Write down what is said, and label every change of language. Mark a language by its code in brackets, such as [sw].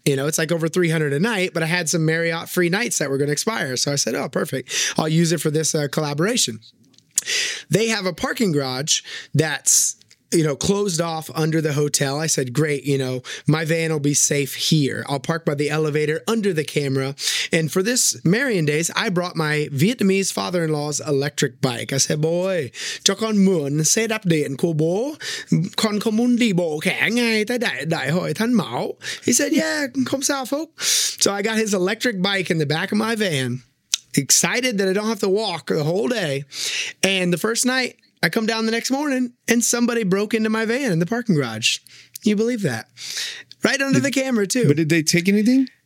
[en] You know, it's like over $300 a night, but I had some Marriott free nights that were going to expire. So I said, oh, perfect. I'll use it for this collaboration. They have a parking garage that's, you know, closed off under the hotel. I said, great, you know, my van will be safe here. I'll park by the elevator under the camera. And for this Marion Days, I brought my Vietnamese father-in-law's electric bike. I said, boy, [vi] cho con mượn xe đạp điện của bố. Con không muốn đi bộ cả ngày tới Đại Hội Thanh Mão. [en] He said, yeah, [vi] không sao, [en] folks. So I got his electric bike in the back of my van, excited that I don't have to walk the whole day. And the first night, I come down the next morning, and somebody broke into my van in the parking garage. You believe that? Right under the camera, too. But did they take anything?